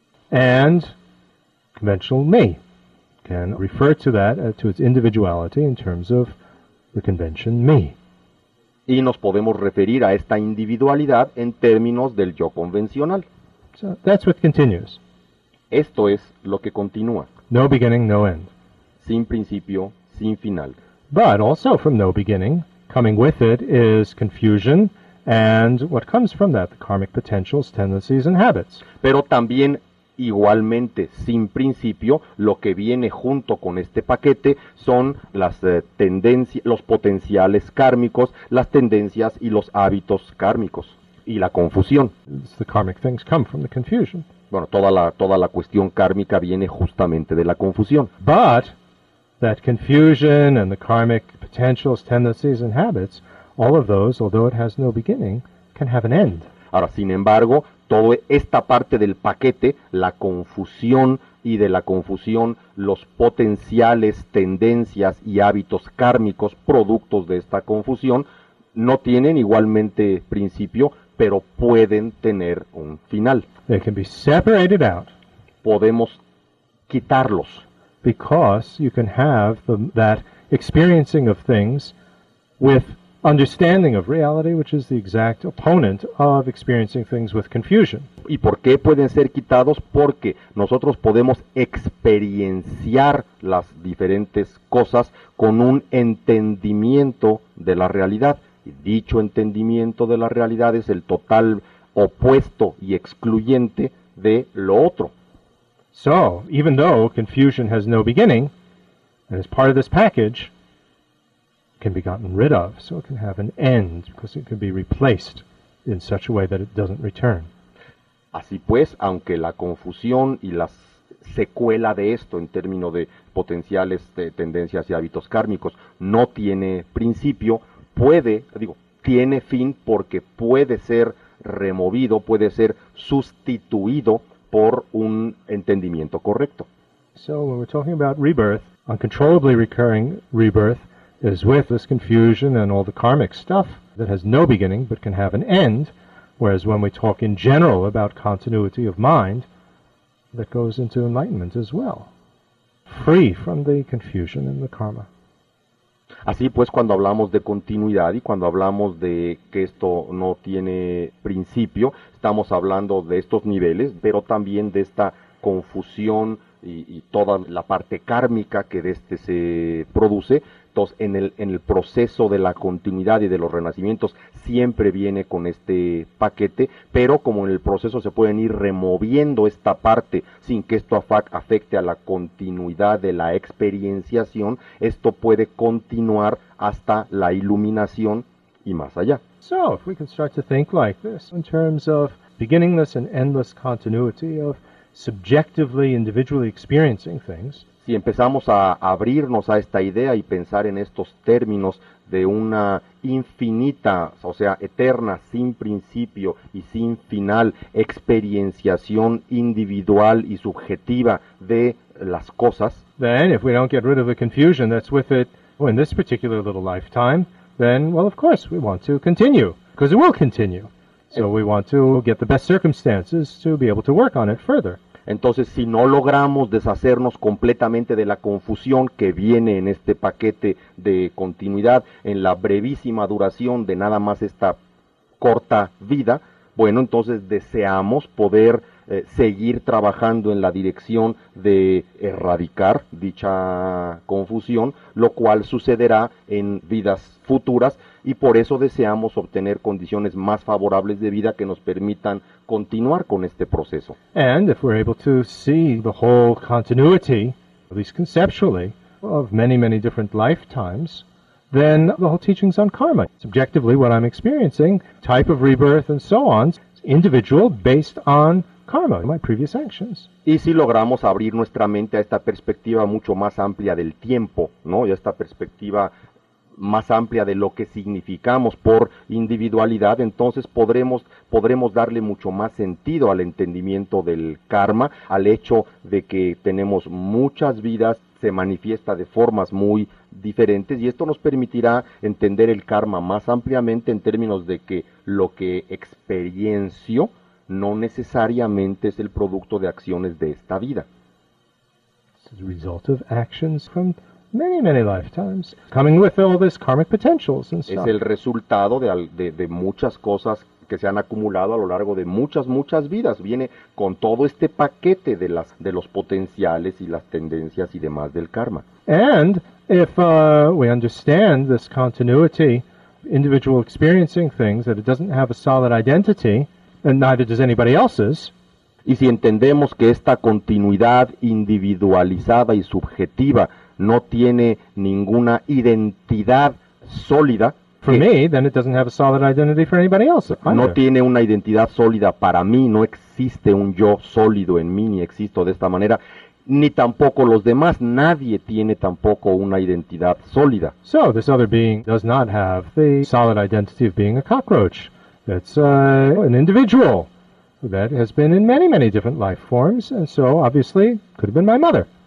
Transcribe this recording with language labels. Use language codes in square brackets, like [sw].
[en] And conventional me, can refer to that, to its individuality in terms of the convention me. [es] Y nos podemos referir a esta individualidad en términos del yo convencional. [en] So that's what continues. [es] Esto es lo que continúa. [en] No beginning, no end. [es] Sin principio, sin final. [en] But also from no beginning, coming with it is confusion and what comes from that, the karmic potentials, tendencies and habits. [es] Pero también igualmente sin principio, lo que viene junto con este paquete son las tendencias, los potenciales kármicos, las tendencias y los hábitos kármicos y la confusión. [en] It's the karmic things come from the confusion. [es] Bueno, toda la cuestión kármica viene justamente de la confusión. [en] But that confusion and the karmic potentials, tendencies and habits, all of those, although it has no beginning, can have an end. [es] Ahora, sin embargo, toda esta parte del paquete, la confusión y de la confusión, los potenciales, tendencias y hábitos kármicos productos de esta confusión, no tienen igualmente principio, pero pueden tener un final. [en] They can be separated out. [es] Podemos quitarlos. [en] Because you can have that experiencing of things with understanding of reality, which is the exact opponent of experiencing things with confusion. [es] ¿Y por qué pueden ser quitados? Porque nosotros podemos experienciar las diferentes cosas con un entendimiento de la realidad. Y dicho entendimiento de la realidad es el total opuesto y excluyente de lo otro. [en] So, even though confusion has no beginning, and is part of this package, can be gotten rid of, so it can have an end, because it can be replaced in such a way that it doesn't return. [es] Así pues, aunque la confusión y la secuela de esto en términos de potenciales de tendencias y hábitos kármicos no tiene principio, tiene fin porque puede ser removido, puede ser sustituido por un entendimiento correcto. [en] So when we're talking about rebirth, uncontrollably recurring rebirth, is with this confusion and all the karmic stuff that has no beginning but can have an end, whereas when we talk in general about continuity of mind, that goes into enlightenment as well, free from the confusion and the karma. [es] Así pues, cuando hablamos de continuidad y cuando hablamos de que esto no tiene principio, estamos hablando de estos niveles, pero también de esta confusión y toda la parte kármica que de este se produce. Entonces, en el proceso de la continuidad y de los renacimientos siempre viene con este paquete, pero como en el proceso se pueden ir removiendo esta parte sin que esto afecte a la continuidad de la experienciación, esto puede continuar hasta la iluminación y más allá. [en] So, if we can start to think like this in terms of beginningless and endless continuity of subjectively, individually experiencing things. [es] Si empezamos a abrirnos a esta idea y pensar en estos términos de una infinita, o sea, eterna, sin principio y sin final, experienciación individual y subjetiva de las cosas. [en] Then, if we don't get rid of the confusion that's with it in this particular little lifetime, then, well, of course, we want to continue, because it will continue. So we want to get the best circumstances to be able to work on it further. [es] Entonces, si no logramos deshacernos completamente de la confusión que viene en este paquete de continuidad, en la brevísima duración de nada más esta corta vida, bueno, entonces deseamos poder seguir trabajando en la dirección de erradicar dicha confusión, lo cual sucederá en vidas futuras, y por eso deseamos obtener condiciones más favorables de vida que nos permitan continuar con este proceso. [en] And if we're able to see the whole continuity, at least conceptually, of many, many different lifetimes, then the whole teachings on karma, subjectively what I'm experiencing, type of rebirth and so on, individual based on karma, my previous actions. [es] Y si logramos abrir nuestra mente a esta perspectiva mucho más amplia del tiempo, ¿no? Y a esta perspectiva más amplia de lo que significamos por individualidad, entonces podremos darle mucho más sentido al entendimiento del karma, al hecho de que tenemos muchas vidas, se manifiesta de formas muy diferentes, y esto nos permitirá entender el karma más ampliamente en términos de que lo que experiencio no necesariamente es el producto de acciones de esta vida. [en] It's a result of actions from many, many lifetimes, coming with all these karmic potentials and stuff. [es] Es el resultado de muchas cosas que se han acumulado a lo largo de muchas, muchas vidas. Viene con todo este paquete de los potenciales y las tendencias y demás del karma. [en] And if we understand this continuity, individual experiencing things, that it doesn't have a solid identity, and neither does anybody else's. [es] Y si entendemos que esta continuidad individualizada y subjetiva no tiene ninguna identidad sólida. [en] For me, then it doesn't have a solid identity for anybody else. Either. [es] No tiene una identidad sólida para mí, no existe un yo sólido en mí, ni existo de esta manera, ni tampoco los demás, nadie tiene tampoco una identidad sólida. [en] So, this other being does not have the solid identity of being a cockroach. It's an individual that has been in many, many different life forms, and so, obviously, could have been my mother.